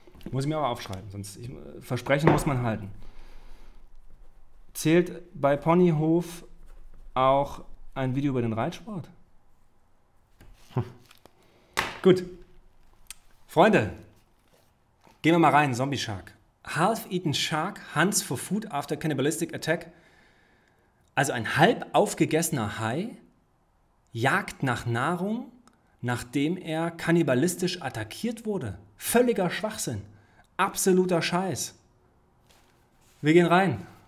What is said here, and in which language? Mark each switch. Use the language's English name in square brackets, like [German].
[German] Muss ich mir aber aufschreiben, sonst Versprechen muss man halten. Zählt bei Ponyhof auch ein Video über den Reitsport? Gut. Freunde, gehen wir mal rein. [English] Zombie Shark. Half-eaten Shark hunts for food after cannibalistic attack. [German] Also ein halb aufgegessener Hai jagt nach Nahrung, nachdem er kannibalistisch attackiert wurde. Völliger Schwachsinn. Absoluter Scheiß. Wir gehen rein.